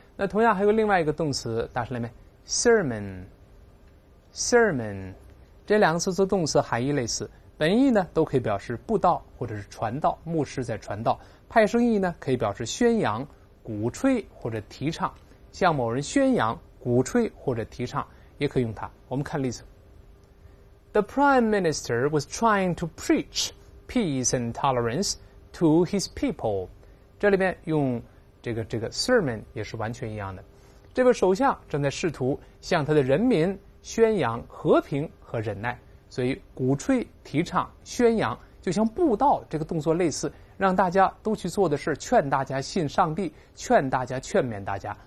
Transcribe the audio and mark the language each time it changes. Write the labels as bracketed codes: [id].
[zh] 那同样还有另外一个动词，大声来没 ？Sermon， 这两个词做动词含义类似，本意呢都可以表示布道或者是传道，牧师在传道；派生意呢可以表示宣扬、鼓吹或者提倡，向某人宣扬、鼓吹或者提倡，也可以用它。我们看例子。 [en] The Prime Minister was trying to preach peace and tolerance to his people. [zh] 这里面用这个 sermon 也是完全一样的。这位首相正在试图向他的人民宣扬和平和忍耐，所以鼓吹、提倡、宣扬，就像布道这个动作类似，让大家都去做的事，劝大家信上帝，劝大家、劝勉大家。